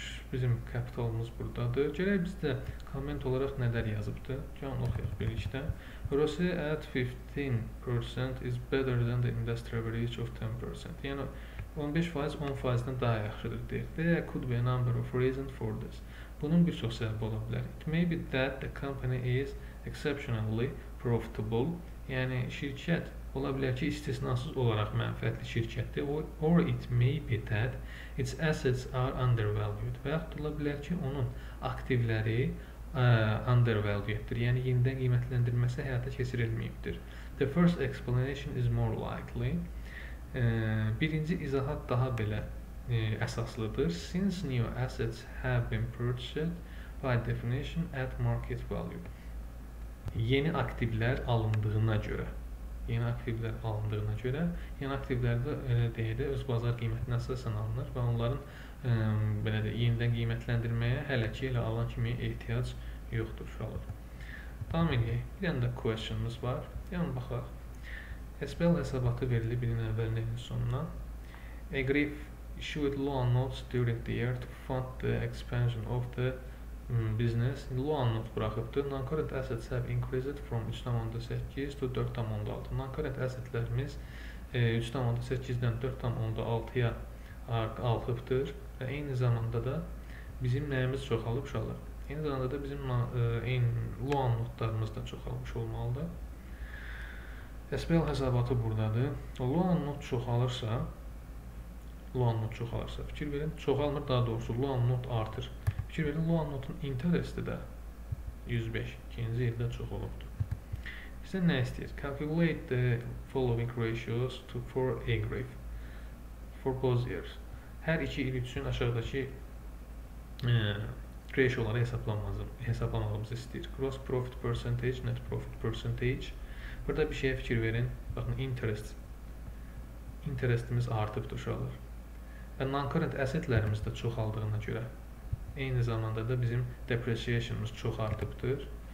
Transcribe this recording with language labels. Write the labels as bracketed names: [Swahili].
[Azerbaijani] Bizim kapitalımız buradadır. Gələk biz də comment olaraq nələr yazıbdır. Gəlin oxuyaq birlikdə. [English] ROSE at 15% is better than the industry average of 10%. [Azerbaijani] Yəni 15% 10%-dən daha yaxşıdır deyir. [English] There could be a number of reasons for this. [Azerbaijani] Bunun bir çox səbəbi ola bilər. [English] It may be that the company is exceptionally profitable. [Azerbaijani] Yəni şirkət ola bilər ki, istisnasız olaraq mənfəətli şirkətdir. [English] Or it may be that its assets are undervalued. [Azerbaijani] Və yaxud ola bilər ki, onun aktivləri undervalued-dir. Yəni yenidən qiymətləndirməsi həyata keçirilməyibdir. [English] The first explanation is more likely. [Azerbaijani] Birinci izahat daha belə əsaslıdır. [English] Since new assets have been purchased by definition at market value. [Azerbaijani] Yeni aktivlər alındığına görə. Yeni aktivlər alındığına görə, yeni aktivlər də deyə də öz bazar qiymətinə əsasən alınır və onların belə də yenidən qiymətləndirməyə hələ ki elə alan kimi ehtiyac yoxdur uşaqlar. Tamam edək. Bir dənə də questionımız var. Yəni baxaq. SPL hesabatı verilir birinin əvvəlinin ilin sonuna. [English] Agree issued loan notes during the year to fund the expansion of the business. [Azerbaijani] Loan note buraxıbdır. [English] Non-current assets have increased from 3.8 to 4.6. [Azerbaijani] Non-current assetlərimiz 3.8-dən 4.6-ya artıbdır. Və eyni zamanda da bizim nəyimiz çoxalıb uşaqlar. Eyni zamanda da bizim loan notlarımız da çoxalmış olmalıdır. SPL hesabatı buradadır. Loan not çoxalırsa, fikir verin, çoxalmır daha doğrusu, loan not artır. Fikir verin, loan notun interesti də 105, ikinci ildə çox olubdur. Biz də nə istəyir? [English] Calculate the following ratios to for aggregate for both years. [Azerbaijani] Hər iki il üçün aşağıdakı ratio-ları hesaplamağımızı istəyir. [English] Gross profit percentage, net profit percentage. [Azerbaijani] Burada bir şeye fikir verin. Bakın interestimiz artıb duşalır. Və non-current assetlərimiz də çoxaldığına görə eyni zamanda da bizim depreciationımız çox artıbdır.